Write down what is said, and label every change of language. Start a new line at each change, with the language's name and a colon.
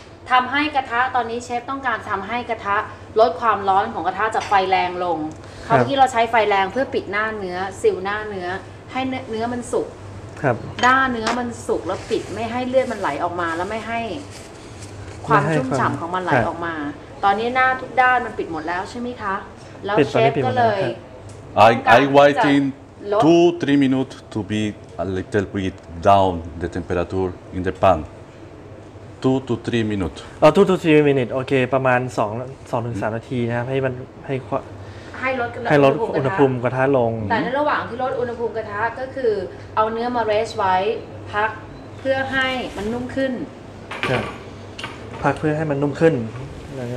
Thai: ทำให้กระทะตอนนี้เชฟต้องการทำให้กระทะลดความร้อนของกระทะจากไฟแรงลงเมื่อกี้เราใช้ไฟแรงเพื่อปิดหน้าเนื้อซิลหน้าเนื้อให้เนื้อมันสุก ครับ ด้าเนื้อมันสุกแล้วปิดไม่ให้เลือดมันไหลออกมาแล้วไม่ให้ความชุ่มฉ่ำของมันไหลออกมาตอนนี้หน้าทุกด้านมันปิดหมดแล้วใช่ไหมคะแล้วเชฟก็เลย
English: I wait in 2-3 minutes to be a little bit down the temperature in the pan. 2-3 minutes. Oh, 2-3 minutes.
Thai: Okay, ประมาณ2-3 นาทีนะครับให้มัน ให้ลด อุณหภูมิกระทะลง แต่ในระหว่างที่ลดอุณหภูมิกระทะก็คือเอาเนื้อมาเรสไว้พักเพื่อให้มันนุ่มขึ้น ครับพักเพื่อให้มันนุ่มขึ้นแล้วก